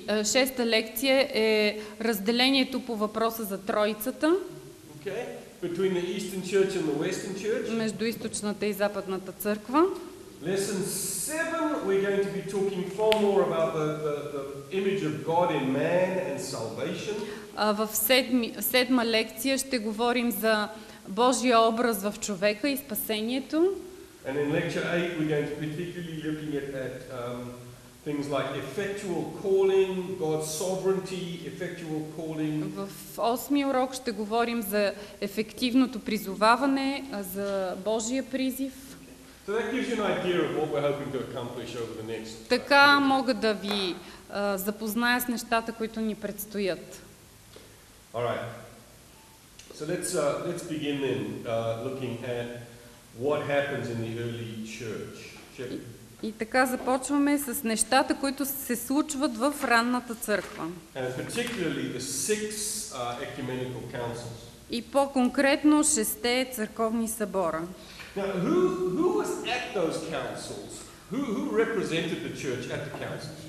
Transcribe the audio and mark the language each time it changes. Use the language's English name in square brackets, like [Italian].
[Bulgarian] Шеста лекция е разделението по въпроса за Троицата. [English] Okay. Between the Eastern Church and the Western Church. [Bulgarian] Между източната и западната църква. [English] Lesson 7 we're going to be talking far more about the image of God in man and salvation. [Bulgarian] В седма лекция ще говорим за Божия образ в човека и спасението. [English] And in lecture 8 we're going to be particularly looking at things like effectual calling, God's sovereignty, effectual calling. [Bulgarian] В осми урок ще говорим за ефективното призоваване, за Божия призив. [English] So that gives you an idea of what we're hoping to accomplish over the next. [Bulgarian] Така мога да ви запозная с нещата, които ни предстоят. [English] All right. So let's begin then looking at what happens in the early church. [Bulgarian] И така започваме с нещата, които се случват в ранната църква. [English] And particularly the six ecumenical councils. [Bulgarian] И по-конкретно шесте църковни събора. [English] Now, who was at those councils? Who represented the church at the councils?